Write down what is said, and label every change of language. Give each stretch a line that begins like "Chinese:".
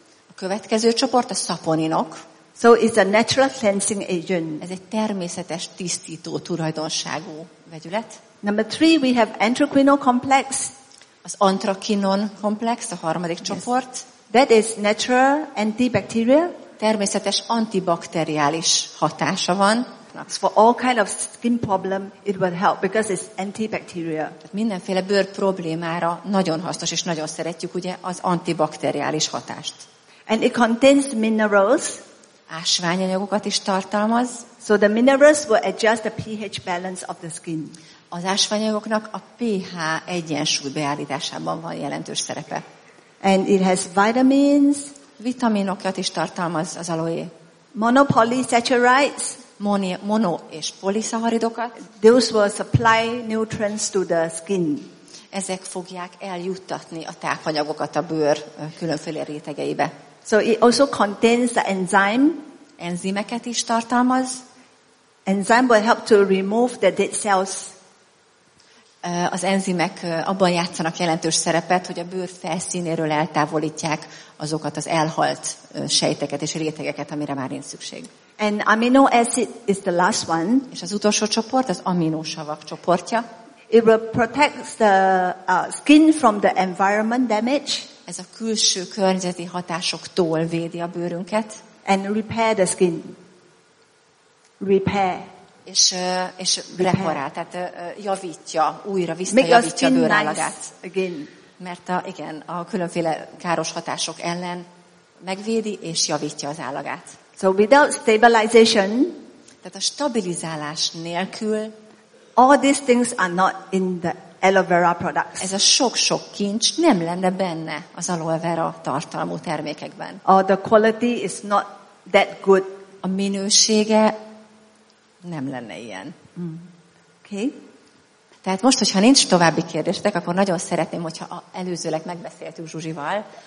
Hungarian: A következő csoport a szaponinok.
English: So it's a natural cleansing agent.
Hungarian: Ez egy természetes tisztító tulajdonságú vegyület.
English: Number three, we have anthraquinone complex.
Hungarian: Az antrakinon komplex, a harmadik csoport.
English: That is natural antibacterial.
Hungarian: Természetes antibakteriális hatása van.
English: For all kind of skin problem, it will help because it's antibacterial.
Hungarian: Mindenféle bőr problémára nagyon hasznos és nagyon szeretjük, ugye, az antibakteriális hatást.
English: And it contains minerals.
Hungarian: Ásványanyagokat is tartalmaz.
English: So the minerals will adjust the pH balance of the skin.
Hungarian: Az ásványanyagoknak a pH egyensúly beállításában van jelentős szerepe.
English: And it has vitamins.
Hungarian: Vitaminokat is tartalmaz az aloe.
English: Monopolysaccharides.
Hungarian: Mono és poliszaharidokat.
English: Those will supply nutrients to the skin.
Hungarian: Ezek fogják eljuttatni a tápanyagokat a bőr különféle rétegeibe.
English: So it also contains the enzyme.
Hungarian: Enzimeket is tartalmaz.
English: Enzyme will help to remove the dead cells.
Hungarian: Az enzimek abban játszanak jelentős szerepet, hogy a bőr felszínéről eltávolítják azokat az elhalt sejteket és rétegeket, amire már nincs szükség.
English: And amino acid is the last one.
Hungarian: És az utolsó csoport, az aminosavak csoportja.
English: It will protect the skin from the environment damage.
Hungarian: Ez a külső környezeti hatásoktól védi a bőrünket.
English: And repair the skin. Repair.
Hungarian: És reparál, tehát javítja, újra visszajavítja a bőrállagát.
English: Nice again.
Hungarian: Mert a különféle káros hatások ellen megvédi és javítja az állagát.
English: So without stabilization,
Hungarian: tehát a stabilizálás nélkül,
English: all these things are not in the aloe vera products.
Hungarian: Ez a sok-sok kincs nem lenne benne az aloe vera tartalmú termékekben.
English: Or the quality is not that good.
Hungarian: A minősége nem lenne ilyen.
English: Okay.
Hungarian: Tehát most, hogyha nincs további kérdésetek, akkor nagyon szeretném, hogyha előzőleg megbeszéltük Zsuzsival.